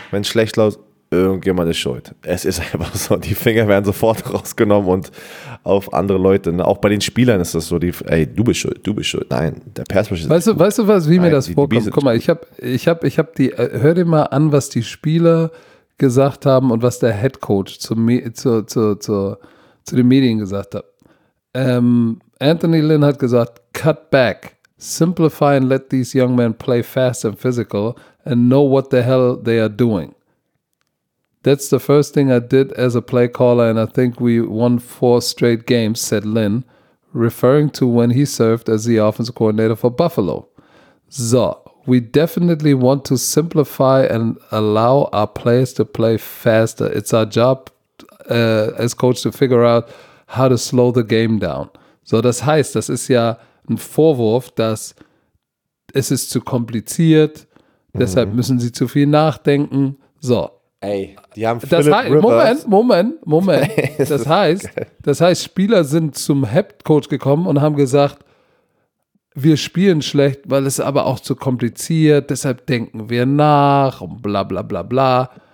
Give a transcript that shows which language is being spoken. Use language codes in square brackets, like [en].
[de] Wenn es schlecht läuft, irgendjemand ist schuld. Es ist einfach so, die Finger werden sofort rausgenommen und auf andere Leute. Auch bei den Spielern ist das so, du bist schuld. Nein, der Perspektiv ist. Hör dir mal an, was die Spieler gesagt haben und was der Head Coach zu den Medien gesagt hat. [en] Anthony Lynn [de] hat gesagt, [en] cut back, simplify and let these young men play fast and physical and know what the hell they are doing. That's the first thing I did as a play caller and I think we won 4 straight games, said Lynn, referring to when he served as the offensive coordinator for Buffalo. So, we definitely want to simplify and allow our players to play faster. It's our job as coach to figure out how to slow the game down. [de] So, das heißt, das ist ja ein Vorwurf, dass es ist zu kompliziert, deshalb müssen sie zu viel nachdenken. So. Ey, die haben Philip Rivers. Moment. Das heißt, Spieler sind zum Head Coach gekommen und haben gesagt, wir spielen schlecht, weil es aber auch zu kompliziert, deshalb denken wir nach und bla bla bla bla.